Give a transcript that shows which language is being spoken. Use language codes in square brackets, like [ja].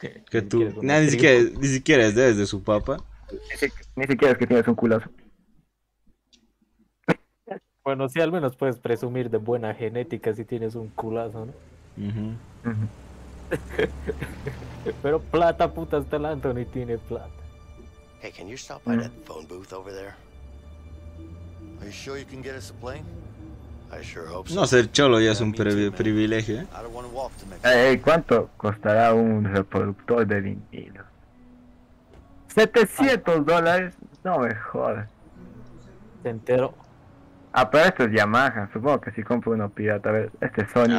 [es] Que tú, ni siquiera es de su papá. Ni siquiera es que tienes un culazo. Bueno, sí, al menos puedes presumir de buena genética si tienes un culazo, ¿no? Uh-huh. Pero plata, puta, hasta el Anthony tiene plata. [en] Hey, can you stop by that phone booth over there? Are you sure you can get us a plane? I sure hope so. [es] No, ser cholo ya es un privilegio, ¿eh? Hey, ¿cuánto costará un reproductor de vinilo? $700, no me jodas. Te entero. Ah, pero este es Yamaha, supongo que si compro uno pirata, a ver, este es Sony.